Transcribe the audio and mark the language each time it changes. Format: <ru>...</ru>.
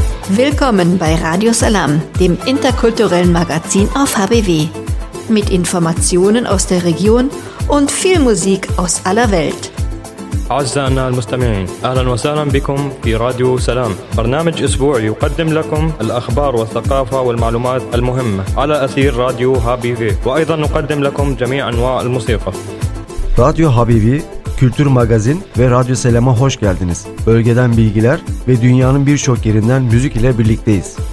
<de>Willkommen bei Radio Salam, dem interkulturellen Magazin auf HBW. Mit Informationen aus der Region und viel Musik aus aller Welt.</de> <ar>أعزائنا المستمعين أهلا وسهلا بكم في راديو سلام برنامج أسبوعي يقدم لكم الأخبار والثقافة والمعلومات المهمة على أثير راديو هابي في وأيضا نقدم لكم جميع أنواع الموسيقى</ar> <tr>راديو هابي في Kültür Magazin ve Radyo Selam'a hoş geldiniz. Bölgeden bilgiler ve dünyanın birçok yerinden müzik ile birlikteyiz.</tr>